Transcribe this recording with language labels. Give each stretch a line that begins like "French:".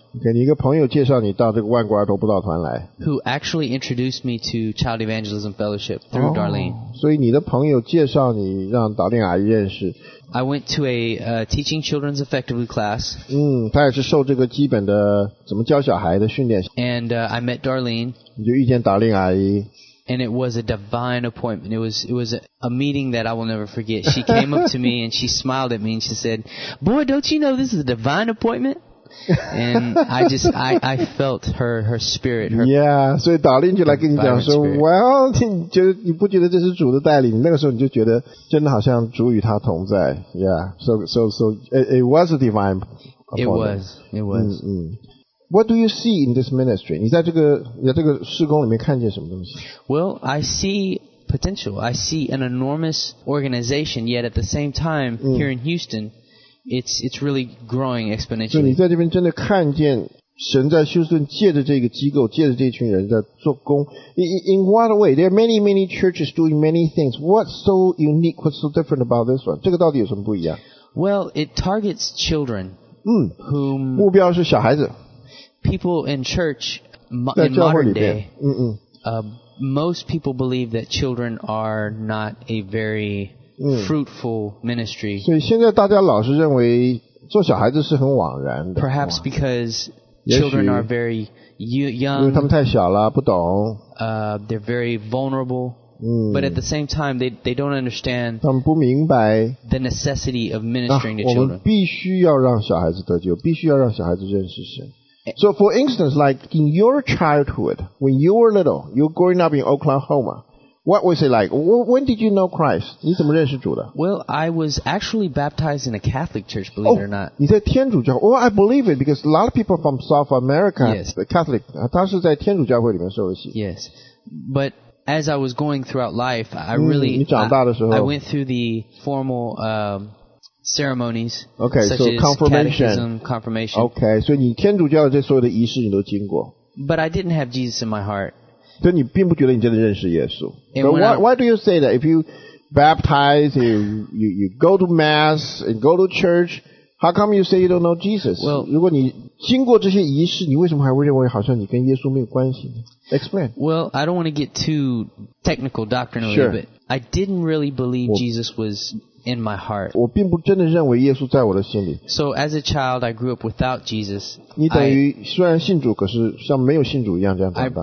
Chinese: 给你一个朋友介绍你到这个万国儿童布道团来。
English: Who actually introduced me to Child Evangelism Fellowship through Darlene.
Chinese: 所以你的朋友介绍你让导令阿姨认识。
English: I went to a teaching children's effectively class.
Chinese: 他也是受这个基本的怎么教小孩的训练。
English: And I met Darlene.
Chinese: 你就遇见导令阿姨。
English: And it was a divine appointment. It was a meeting that I will never forget. She came up to me and she smiled at me and she said, "Boy, don't you know this is a divine appointment?" And I felt her spirit. Her yeah,
Chinese: 所以导令就来跟你讲说 ，
English: Well，
Chinese: 你不觉得这是主的带领？那个时候你就觉得真的好像主与他同在。
English: Yeah, so it was a divine appointment. It was. What do you see in this ministry?
Chinese: 你在这个施工里面看见什么东西
English: ？Well, I see potential. I see an enormous organization. Yet at the same time, here in Houston. It's really growing exponentially.
Chinese: 就你在这边真的看见神在休斯顿借着这个机构，借着这群人在做工。
English: In what way? There are many, many churches doing many things. What's so unique? What's so different about this one?
Chinese: 这个到底有什么不一样
English: ？Well, it targets children.
Chinese: 目标是小孩子。
English: People in church in modern day. Most people believe that children are not a very fruitful ministry.
Chinese: 所以现在大家老是认为做小孩子是很枉然的。
English: Perhaps because children are very young.
Chinese: 因为他们太小了，不懂。
English: They're very vulnerable. But at the same time, they don't understand.
Chinese: 他们不明白
English: the necessity of ministering to children.
Chinese: 我们必须要让小孩子得救，必须要让小孩子认识神。
English: So for instance, like in your childhood, when you were little, you were growing up in Oklahoma. What was it like? When did you know Christ?
Chinese: 你怎么认识主的
English: ？Well, I was actually baptized in a Catholic church, believe it or not.
Chinese: 你在天主教
English: ？Well, I believe it because a lot of people from South America, yes, the Catholic,
Chinese: 他是在天主教会里面受洗。
English: Yes, but as I was going throughout life, I really
Chinese: 你长大的时候
English: ，I went through the formal ceremonies, okay, such so as confirmation.
Chinese: Okay, 所以你天主教的这所有的仪式你都经过。
English: But I didn't have Jesus in my heart.
Chinese: 所以你并不觉得你真的认识耶稣。
English: But why do you say that? If you baptize, you go to mass and go to church, how come you say you don't know Jesus? Well,
Chinese: 如果你经过这些仪式，你为什么还会认为好像你跟耶稣没有关系呢 ？
English: Explain. Well, I don't want to get too technical doctrinally, sure. But I didn't really believe Jesus was in my heart.
Chinese: 我并不真的认为耶稣在我的心里。
English: So as a child, I grew up without Jesus.
Chinese: 你等于虽然信主，可是像没有信主一样这样长大。